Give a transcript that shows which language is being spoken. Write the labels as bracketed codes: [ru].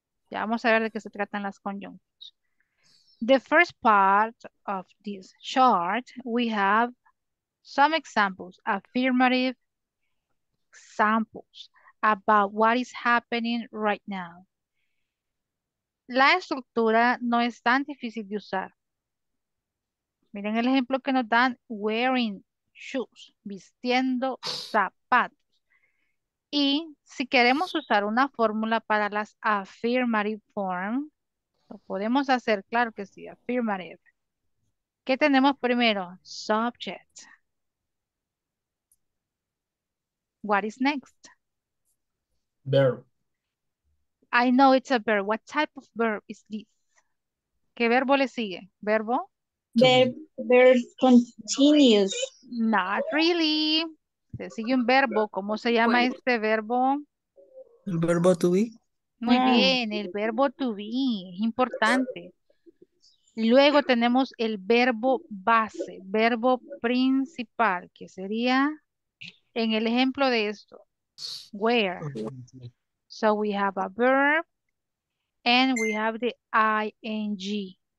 [es] Ya vamos a ver de qué se tratan las conjunctions. [en] The first part of this chart, we have some examples, affirmative examples about what is happening right now. [es] La estructura no es tan difícil de usar. Miren el ejemplo que nos dan, [en] wearing shoes, [es] vistiendo zapatos. Y si queremos usar una fórmula para las affirmative form, lo podemos hacer, claro que sí, affirmative. ¿Qué tenemos primero? Subject. [en] What is next? Verb. I know it's a verb. What type of verb is this? [es] ¿Qué verbo le sigue? ¿Verbo? [en] Verb continuous. Not really. [es] Se sigue un verbo. ¿Cómo se llama este verbo? El verbo to be. Muy bien, el verbo to be. Es importante. Luego tenemos el verbo base, verbo principal, que sería en el ejemplo de esto. [en] Wear. So we have a verb and we have the ing.